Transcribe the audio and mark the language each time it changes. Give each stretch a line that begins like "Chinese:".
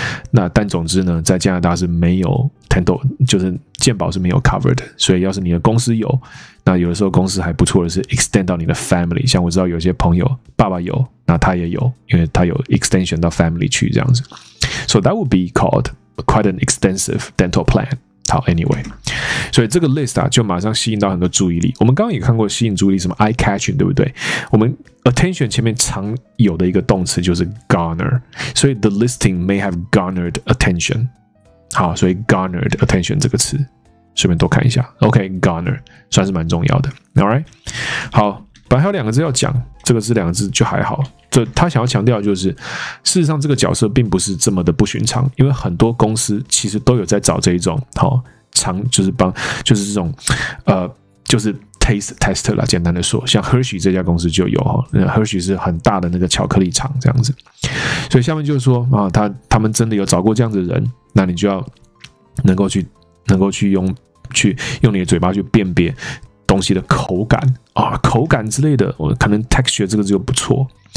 Chinese: 那但总之呢，在加拿大是没有 dental， 就是健保是没有 covered， 所以要是你的公司有，那有的时候公司还不错的是 extend 到你的 family， 像我知道有些朋友爸爸有，那他也有，因为他有 extension 到 family 去这样子，
English: so that would be called quite an extensive dental plan。
Chinese: 好 ，anyway， 所以这个 list 啊，就马上吸引到很多注意力。我们刚刚也看过吸引注意力，什么 eye catching， 对不对？我们 attention 前面常有的一个动词就是 garner， 所以
English: the listing may have garnered attention。
Chinese: 好，所以 garnered attention 这个词，顺便多看一下。 OK，garner 算是蛮重要的。All right， 好，本来还有两个字要讲，这个是两个字就还好。这他想要强调就是，事实上这个角色并不是这么的不寻常，因为很多公司其实都有在找这一种，好、哦、长就是帮就是这种，就是 taste tester 啦，简单的说，像 Hershey 这家公司就有哈、哦、，Hershey 是很大的那个巧克力厂这样子，所以下面就是说啊、哦，他们真的有找过这样的人，那你就要能够去用你的嘴巴去辨别东西的口感啊、哦，口感之类的，哦、可能 texture 这个就不错。